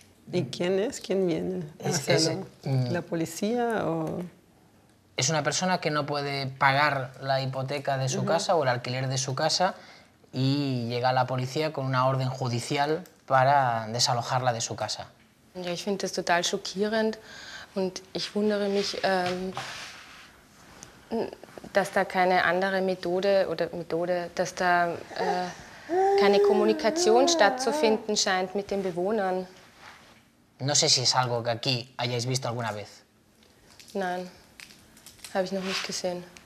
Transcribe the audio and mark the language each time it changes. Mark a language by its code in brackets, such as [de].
[es] ¿Y quién es? ¿Quién viene? ¿La policía o...? Es una persona que no puede pagar la hipoteca de su casa o el alquiler de su casa y llega a la policía con una orden judicial para desalojarla de su casa. [de] Ja, ich finde das total schockierend und ich wundere mich, dass da keine andere Methode oder Methode, dass da keine Kommunikation stattzufinden scheint mit den Bewohnern. [es] No sé si es algo que aquí hayáis visto alguna vez. [de] Nein, habe ich noch nicht gesehen.